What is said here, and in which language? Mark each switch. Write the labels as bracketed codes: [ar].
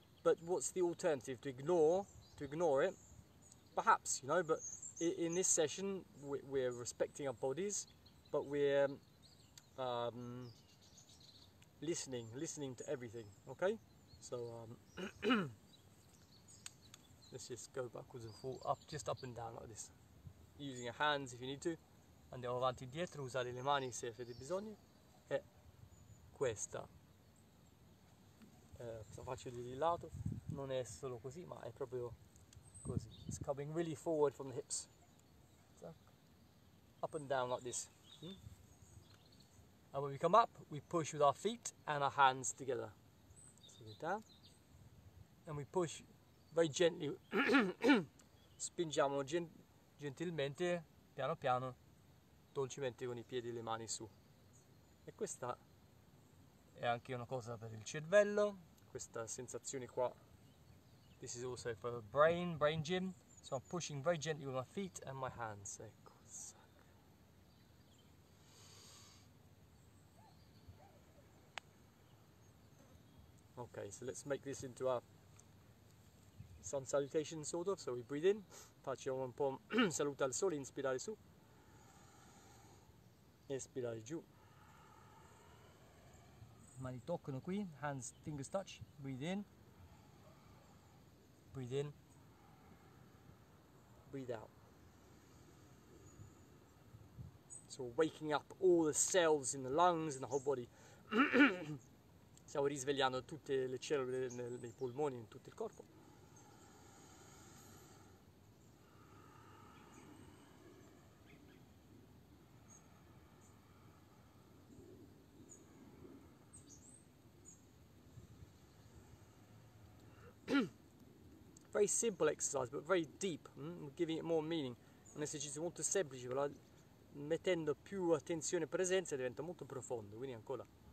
[en] But what's the alternative? To ignore it? Perhaps, you know, but in this session, we're respecting our bodies, but we're listening to everything, okay? So let's just go backwards and forth, up, just up and down like this, using your hands if you need to. [it] Andiamo avanti e dietro, usare le mani se avete bisogno. E questa. Lo faccio di lato. Non è solo così, ma è proprio così. [en] It's coming really forward from the hips. Up and down like this. And when we come up, we push with our feet and our hands together. Sit down. And we push very gently. [it] Spingiamo gentilmente, piano piano, dolcemente con i piedi e le mani su. E questa è anche una cosa per il cervello, questa sensazione qua. [en] This is also for the brain gym. So I'm pushing very gently with my feet and my hands. [it] Ecco. [en] Okay, so let's make this into a sun salutation sort of. So we breathe in, [it] facciamo un po' saluto al sole, inspirare su. Espirare giù. Mani toccano qui, [en] hands, fingers touch, breathe in. Breathe in. Breathe out. So we're waking up all the cells in the lungs and the whole body. [it] Stiamo risvegliando tutte le cellule nei polmoni, in tutto il corpo. [en] Very simple exercise, but very deep, giving it more meaning. [it] Un esercizio molto semplice, però mettendo più attenzione e presenza diventa molto profondo, quindi ancora.